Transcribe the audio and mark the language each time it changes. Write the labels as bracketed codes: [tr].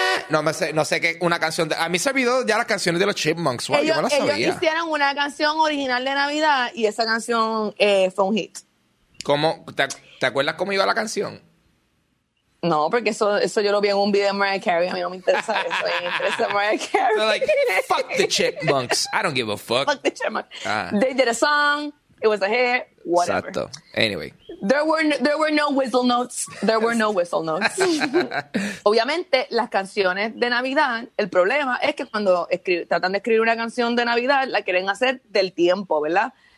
[es] No sé qué una canción de, a mí se olvidó ya las canciones de los Chipmunks. Wow, ellos, yo me las sabía. Ellos hicieron una canción original de Navidad y esa canción fue un hit. ¿Cómo? ¿Te acuerdas cómo iba la canción? No, porque eso yo lo vi en un video de Mariah Carey. A mí no me interesa eso. [en] They're like, fuck the Chipmunks. I don't give a fuck. Fuck the Chipmunks. They did a song. It was a hit. Whatever. [es] Exacto. Anyway. [en] There were no whistle notes. [es] Obviamente, las canciones de Navidad, el problema es que cuando tratan de escribir una canción de Navidad, la quieren hacer del tiempo, ¿verdad?